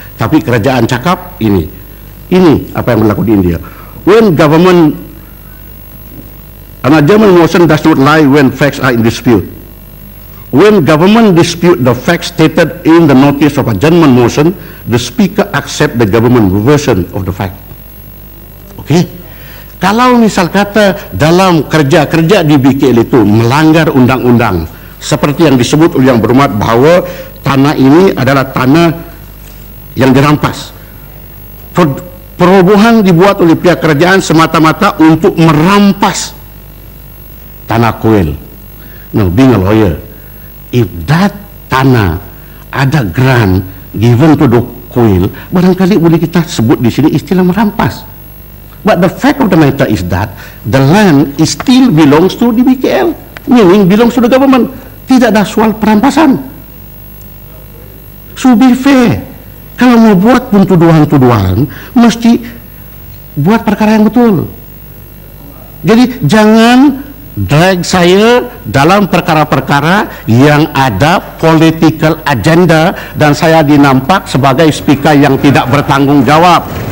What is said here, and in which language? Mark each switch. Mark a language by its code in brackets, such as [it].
[ms] Tapi kerajaan cakap ini. Ini apa yang berlaku di India. [en] When government, and a German notion does not lie when facts are in dispute. When government dispute the facts stated in the notice of adjournment motion, the speaker accept the government version of the fact. Okay? [ms] Kalau misal kata dalam kerja-kerja di BKL itu melanggar undang-undang, seperti yang disebut oleh yang berhormat bahwa tanah ini adalah tanah yang dirampas. perobohan dibuat oleh pihak kerajaan semata-mata untuk merampas tanah kuil. [en] Now, being a lawyer, if that [ms] tanah ada [en] grant given to the [ms] kuil, barangkali boleh kita sebut di sini istilah merampas. [en] But the fact of the matter is that the land is still belongs to the BKL, meaning belongs to the government. [ms] Tidak ada soal perampasan. [en] So be fair. [ms] Kalau mau buat pun tuduhan-tuduhan, mesti buat perkara yang betul. Jadi jangan drag saya dalam perkara-perkara yang ada [en] political agenda [ms] dan saya dinampak sebagai speaker yang tidak bertanggung jawab.